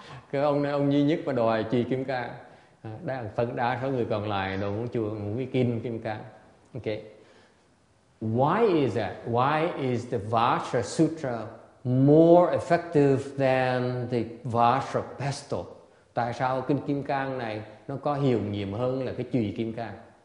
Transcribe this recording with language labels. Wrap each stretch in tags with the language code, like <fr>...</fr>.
<vi>Cái ông này ông duy nhất mà đòi chì Kim Cang. Phần đa số người còn lại đồ muốn chùa muốn cái kinh Kim Cang.</vi> <en>Okay. Why is that? Why is the Vajra Sutra more effective than the Vajra pestle?</en> <vi>Tại sao kinh Kim Cang này nó có hiệu nghiệm hơn là cái chùy Kim Cang?</vi>